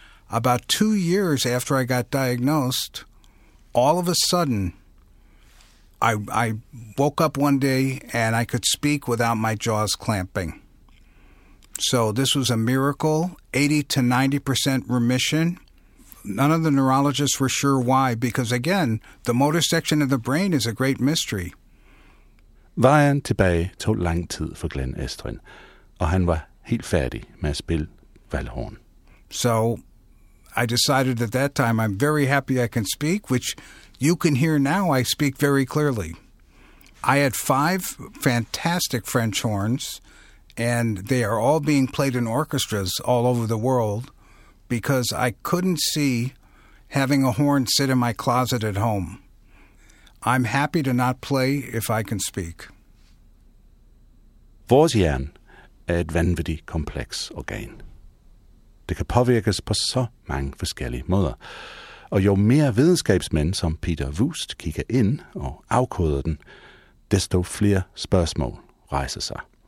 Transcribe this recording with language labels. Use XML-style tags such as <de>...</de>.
<en>About 2 years after I got diagnosed, all of a sudden, I woke up one day and I could speak without my jaws clamping. So this was a miracle, 80 to 90% remission. None of the neurologists were sure why, because again, the motor section of the brain is a great mystery.</en> <da>Vejen tilbage tog lang tid for Glenn Estrin, og han var helt færdig med at spille valhorn.</da> <en>So I decided at that time, I'm very happy I can speak, which you can hear now, I speak very clearly. I had 5 fantastic French horns, and they are all being played in orchestras all over the world because I couldn't see having a horn sit in my closet at home. I'm happy to not play if I can speak.</en> <da>Vores hjern er et vanvittigt kompleks organ. Det kan påvirkes på så mange forskellige måder. Og jo mere videnskabsmænd som Peter Wust kigger ind og afkoder den, desto flere spørgsmål rejser sig.</da>